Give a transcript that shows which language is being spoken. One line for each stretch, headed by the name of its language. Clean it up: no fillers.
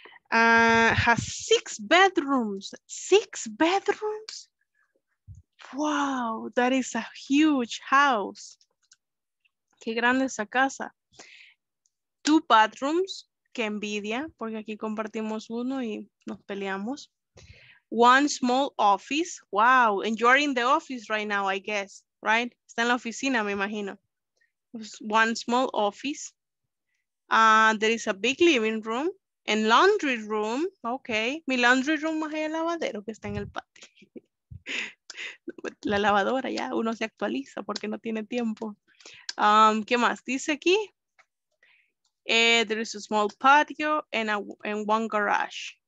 English: Has 6 bedrooms. 6 bedrooms? Wow, that is a huge house.
Spanish: Qué grande esa casa.
English: 2 bedrooms.
Spanish: Qué envidia, porque aquí compartimos uno y nos peleamos.
English: one small office. Wow, and you're in the office right now, I guess, right?
Spanish: Está en la oficina, me imagino.
English: One small office. There is a big living room and laundry room.
Spanish: Okay, mi laundry room más el lavadero que está en el patio. La lavadora ya, uno se actualiza porque no tiene tiempo. ¿Qué más dice aquí?
English: There is a small patio and one garage.